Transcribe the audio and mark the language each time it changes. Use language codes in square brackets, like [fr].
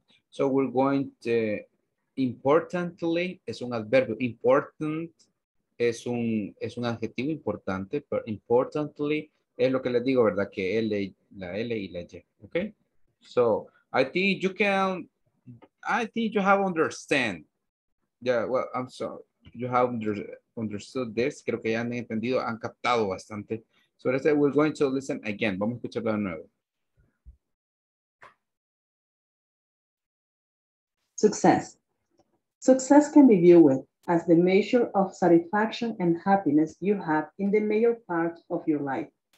[en] So we're going to importantly [es] es un adverbio. Important es un adjetivo importante, pero importantly es lo que les digo, verdad, que L, la L y la Y. [en] Okay, so I think you have understand. Yeah, well, I'm sorry, you have understood this. [es] Creo que ya han entendido, han captado bastante. [en] So let's say we're going to listen again. [es] Vamos a escucharlo de nuevo. [en] Success. Success can be viewed as the measure of satisfaction and happiness you have in the major part of your life.